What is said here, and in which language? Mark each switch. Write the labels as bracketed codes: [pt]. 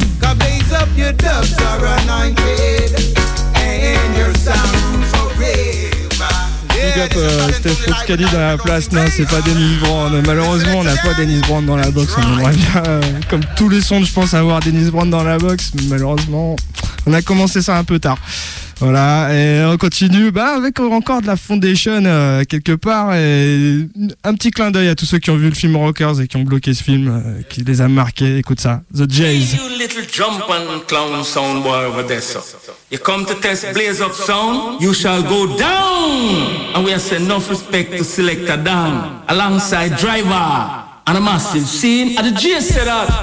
[en] 'cause blaze up, your dubs are anointed, and your sound forever. [fr] Big up Steph Foscali dans la place. Non, c'est pas Dennis Brown. Malheureusement, on n'a pas Dennis Brown dans la box. On aimerait bien, comme tous les sons, je pense avoir Dennis Brown dans la box. Malheureusement. On a commencé ça un peu tard. Voilà, et on continue avec encore de la Foundation quelque part. Et un petit clin d'œil à tous ceux qui ont vu le film Rockers et qui ont bloqué ce film, qui les a marqués. Écoute ça, The Jays. [en] You little jumpin' clown sound boy over there, sir. You come to test blaze up sound, you shall go down. And we have enough respect to Selector Dan alongside driver and a massive scene at the Jays set up.